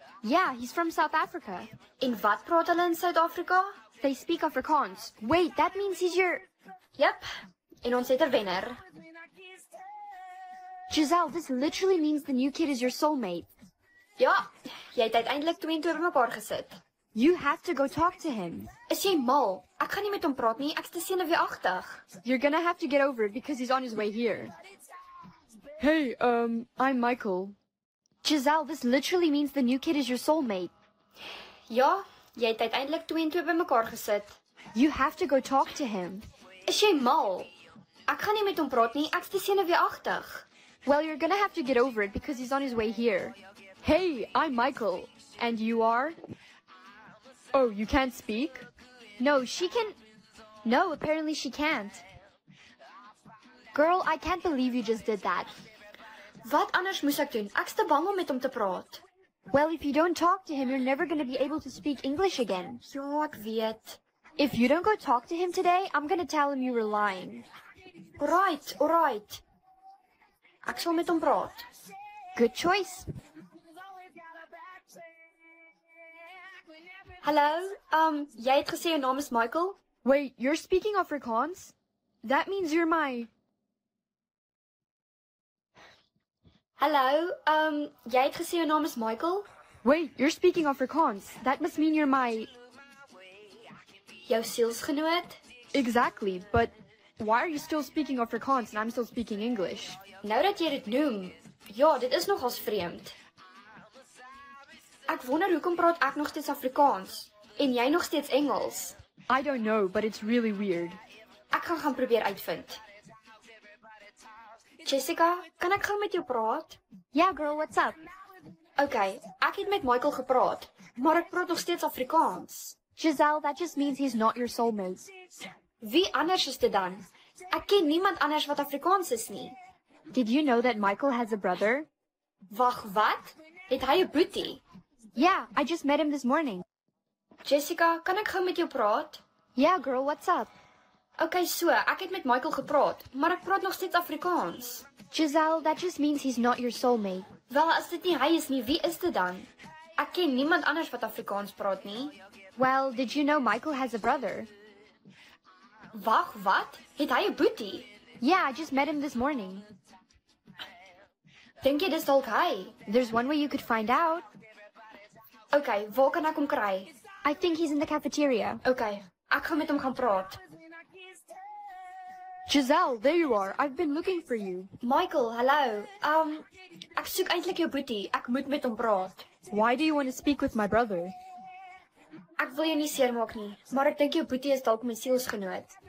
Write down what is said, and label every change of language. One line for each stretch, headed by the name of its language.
English: Yeah, he's from South Africa.
Afrikaans: En wat praat hulle in South Africa?
English: They speak Afrikaans. Wait, that means he's your... Yep,
Afrikaans: en ons het 'n wenner.
English: Giselle, this literally means the new kid is your soulmate.
Afrikaans: Ja, jy het uiteindelik 22 mekaar gesit.
English: You have to go talk to him.
Afrikaans: Is jy mal? Ek gaan nie met hom praat nie, ek is te senuweeagtig.
English: You're gonna have to get over it because he's on his way here. Hey, I'm Michael. Giselle, this literally means the new kid is your soulmate.
Afrikaans: Ja, jy het uiteindelik 22 mekaar gesit.
English: You have to go talk to him.
Afrikaans: Is jy mal? Ek gaan nie met hom praat nie, ek is te senuweeagtig.
English: Well, you're gonna have to get over it because he's on his way here. Hey, I'm Michael. And you are? Oh, you can't speak? No, she can... No, apparently she can't. Girl, I can't believe you just did that.
Afrikaans: Wat anders moes ek doen? Ek's te bang om met hom te praat.
English: Well, if you don't talk to him, you're never gonna be able to speak English again.
Afrikaans: Ja, ek weet.
English: If you don't go talk to him today, I'm gonna tell him you were lying. Alright, alright.
Afrikaans: Ek sal met hom praat.
English: Good choice.
Afrikaans: Hallo, jy het gesê jou naam is Michael?
English: Wait, you're speaking Afrikaans? That means you're my...
Afrikaans: Hallo, jy het gesê jou naam is Michael?
English: Wait, you're speaking Afrikaans? That must mean you're my...
Afrikaans: Jou sielsgenoot?
English: Exactly, but why are you still speaking Afrikaans and I'm still speaking English?
Afrikaans: Nou dat jy dit noem, ja, dit is nogals vreemd. Ek wonder hoekom praat ek nog steeds Afrikaans en jy nog steeds Engels.
English: I don't know, but it's really weird.
Afrikaans: Ek gaan gaan probeer uitvind. Jessica, kan ek gaan met jou praat?
English: Yeah, girl, what's up?
Afrikaans: Okay, ek het met Michael gepraat, maar ek praat nog steeds Afrikaans.
English: Giselle, that just means he's not your soulmate.
Afrikaans: Wie anders is dit dan? Ek ken niemand anders wat Afrikaans is nie.
English: Did you know that Michael has a brother?
Afrikaans: Wag, wat? Het hy 'n boetie?
English: Yeah, I just met him this morning.
Afrikaans: Jessica, kan ek gou met jou praat?
English: Yeah, girl, what's up?
Afrikaans: Okay, so, ek het met Michael gepraat, maar ek praat nog steeds Afrikaans.
English: Giselle, that just means he's not your soulmate.
Afrikaans: Wel, as dit nie hy is nie, wie is dit dan? Ek ken niemand anders wat Afrikaans praat nie.
English: Well, did you know Michael has a brother?
Afrikaans: Wag, wat? Het hy 'n boetie?
English: Yeah, I just met him this morning.
Afrikaans: Dink jy dis dalk hy?
English: There's one way you could find out.
Afrikaans: Okay, waar kan ek hom kry?
English: I think he's in the cafeteria.
Afrikaans: Okay, ek gaan met hom gaan praat.
English: Giselle, there you are. I've been looking for you. Michael, hello.
Afrikaans: Ek soek eintlik jou boetie. Ek moet met hom praat.
English: Why do you want to speak with my brother?
Afrikaans: Ek wil jou nie seermaak nie, maar ek dink jou boetie is dalk my sielsgenoot.